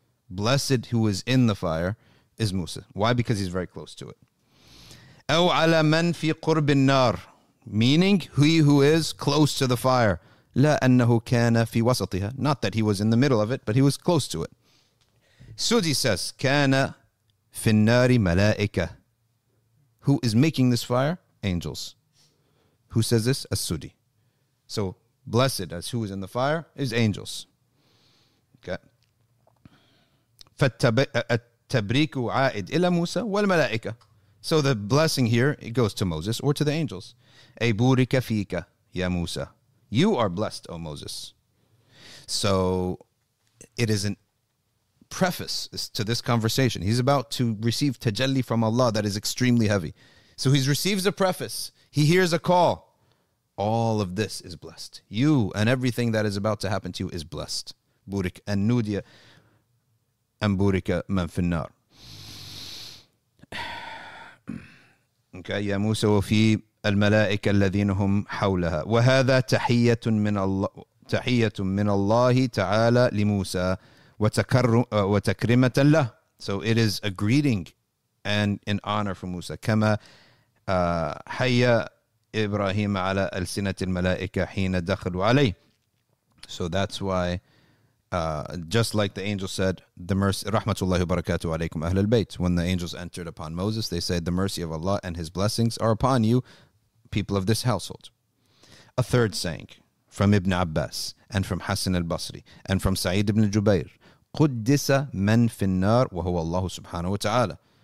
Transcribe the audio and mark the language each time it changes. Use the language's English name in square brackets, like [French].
[English] Blessed who is in the fire is Musa. Why? Because he's very close to it. [Arabic] أَوْ عَلَى مَنْ فِي قُرْبِ النَّارِ. [English] Meaning, he who is close to the fire. [Arabic] لا أنه كان في وسطها. [English] Not that he was in the middle of it, but he was close to it. [Arabic] Sudi says, كان في النار ملائكة. [English] Who is making this fire? Angels. Who says this? As-Sudi. So, blessed as who is in the fire is angels. Okay. [Arabic] فالتبريك عائد إلى موسى والملائكة. [English] So the blessing here, it goes to Moses or to the angels. [Arabic] أبورك فيك يا موسى. [English] You are blessed, O Moses. So it is a preface to this conversation. He's about to receive tajalli from Allah that is extremely heavy. So he receives a preface. He hears a call. All of this is blessed. You and everything that is about to happen to you is blessed. Burik and Nudia and Burika man finnar. [Arabic] Okay, ya Musa wa fi الملائكة الذين هم حولها وهذا تحية من الله تحية من الله تعالى لموسى وتكرمة له. [English] So it is a greeting and an honor for Musa. [Arabic] كما حيا إبراهيم على ألسنة الملائكة حين دخلوا عليه. [English] So that's why just like the angel said, the mercy [Arabic] رحمة الله وبركاته عليكم أهل البيت. [English] When the angels entered upon Moses, they said, the mercy of Allah and his blessings are upon you, people of this household. A third saying from Ibn Abbas and from Hassan al-Basri and from Sa'id ibn Jubayr, [Arabic] Quddisa man finnar wa huwa Allah subhanahu wa ta'ala.